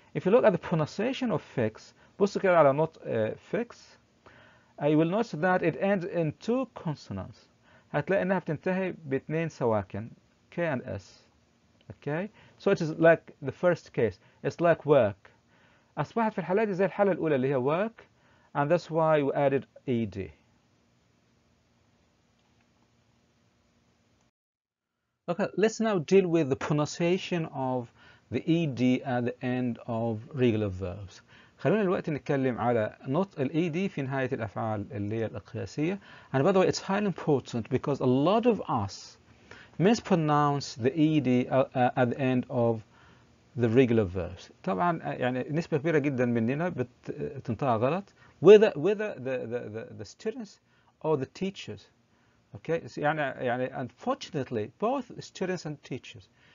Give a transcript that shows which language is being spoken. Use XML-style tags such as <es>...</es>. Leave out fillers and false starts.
<en>If you look at the pronunciation of fix,</en> <ar>بص كده على نطق fix,</ar> <en>you will notice that it ends in two consonants.</en> <ar>هتلاقي انها بتنتهي باثنين سواكن k and s.</ar> <en>Okay? So it is like the first case. It's like work.</en> <ar>أصبحت في الحالة دي زي الحالة الأولى اللي هي work,</ar> <en>and that's why we added ed. Okay, let's now deal with the pronunciation of the ed at the end of regular verbs.</en> <ar>خلونا الوقت نتكلم على نطق ال ed في نهاية الأفعال اللي هي القياسية.</ar> <en>And by the way, it's highly important because a lot of us mispronounce the ed at the end of the regular verbs.</en> <ar>طبعا يعني نسبة كبيرة جدا مننا بتنطقها غلط,</ar> <en>whether the students or the teachers. Okay, so, يعني unfortunately both students and teachers,</en>